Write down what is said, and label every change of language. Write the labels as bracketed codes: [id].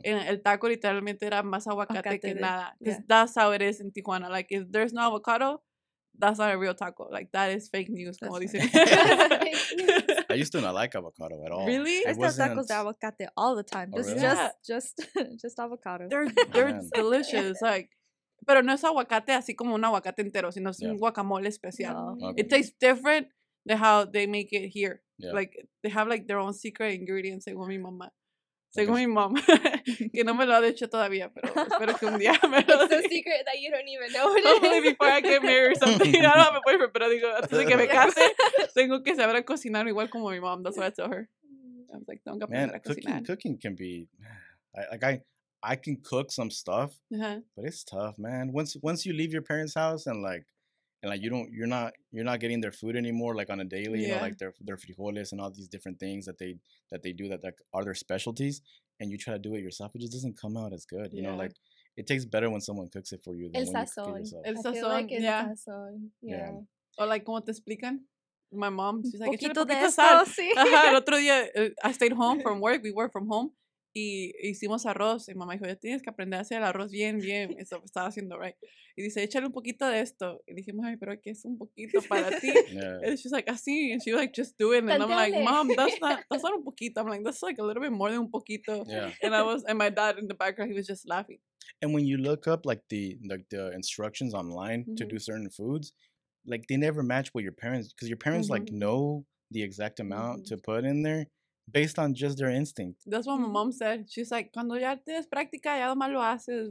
[es] And el taco literalmente era más aguacate que nada. Because yeah. [en] that's how it is in Tijuana. Like, if there's no avocado, that's not a real taco. Like, that is fake news. Como dicen. Fake news. I used to not like avocado at all. Really? I used to have tacos de avocado all the time. Just, oh, really? just avocado. They're delicious. Yeah. [es] Like, pero no es aguacate así como un aguacate entero, sino es yeah. un guacamole especial. [en] No. Okay. It tastes different than how they make it here. Yeah. Like, they have, like, their own secret ingredients, según mi mamá. [es] Según mi mom, que no me lo ha dicho todavía, pero espero que un día me lo diga. [en] It's a secret that you don't even know what it is. Hopefully before I get married or something. I don't have a boyfriend, pero digo, antes de que me case, tengo que saber a cocinar igual como mi mom. That's what I told her. I was like, don't go man, [es] a cocinar. [en] Man, cooking can be, I can cook some stuff, uh-huh. but it's tough, man. Once you leave your parents' house and you're not getting their food anymore, like, on a daily, yeah. you know, like their frijoles and all these different things that they do that are their specialties, and you try to do it yourself, it just doesn't come out as good, yeah. you know. Like, it tastes better when someone cooks it for you than [es] el [en] when [es] sazon. [en] You cook it yourself. [es] El sazon, [en] like, yeah. yeah. Or like, ¿cómo te explican? My mom, she's like, [es] poquito de sal. Sí. [en] Ajá, el otro día, I stayed home from work. We work from home. [es] Y hicimos arroz, y mamá dijo, ya tienes que aprender a hacer el arroz bien, bien, eso estaba haciendo right. Y dice, échale un poquito de esto. Y dijimos, ay, pero ¿qué es un poquito para ti? [en] Yeah. And she's like, así, and she was like, just doing it. And I'm like, mom, that's not un poquito. I'm like, that's like a little bit more than un poquito. Yeah. And my dad in the background, he was just laughing. And when you look up, like, the instructions online mm-hmm. to do certain foods, like, they never match what your parents, because your parents, mm-hmm. like, know the exact amount mm-hmm. to put in there. Based on just their instinct. That's what my mom said. [es] She's like, cuando ya tienes práctica, ya nomás lo haces.